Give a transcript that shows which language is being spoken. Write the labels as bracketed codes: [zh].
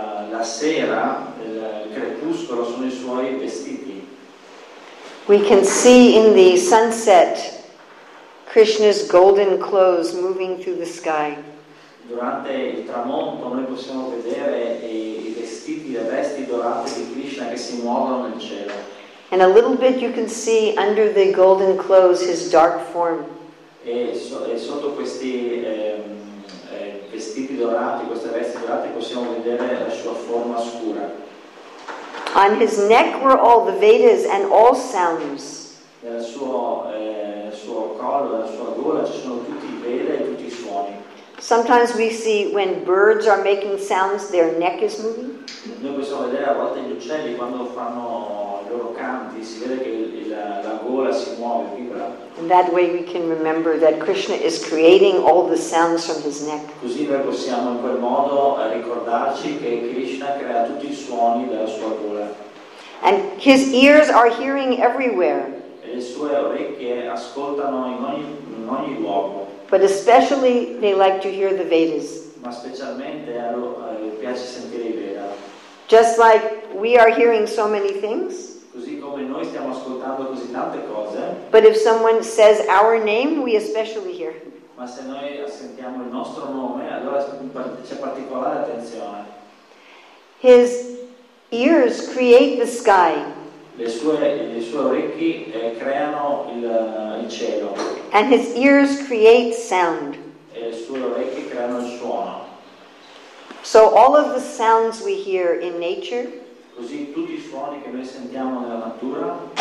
[it] La sera, il crepuscolo sono i suoi vestiti. [en] We can see in the sunset Krishna's golden clothes moving through the sky. [it] Durante il tramonto noi possiamo vedere i vestiti, le vesti dorate di Krishna che si muovono nel cielo. [en] And a little bit you can see under the golden clothes his dark form. [it] E sotto questi vestiti dorati, queste vesti dorate, possiamo vedere la sua forma scura. [en] On his neck were all the Vedas and all sounds. [it] Nel suo collo, nella sua gola, ci sono tutti i Veda e tutti i suoni. [en] Sometimes we see when birds are making sounds, their neck is moving. [it] Noi possiamo vedere a volte gli uccelli quando fanno i loro canti, si vede che la gola si muove, vibra. [en] In that way we can remember that Krishna is creating all the sounds from his neck. [it] Così noi possiamo in quel modo ricordarci che Krishna crea tutti i suoni della sua gola. [en] And his ears are hearing everywhere. [it] E le sue orecchie ascoltano in ogni luogo. [en] But especially they like to hear the Vedas. [it] Ma specialmente a loro piace sentire i Veda. [en] Just like we are hearing so many things. [it] Così come noi stiamo ascoltando così tante cose. [en] But if someone says our name, we especially hear. [it] Ma se noi sentiamo il nostro nome, allora c'è particolare attenzione. [en] His ears create the sky. [it] Le sue orecchie creano il cielo. [en] And his ears create sound. [it] E le sue orecchie creano il suono. [en] So all of the sounds we hear in nature. [it] Così tutti i suoni che noi sentiamo nella natura.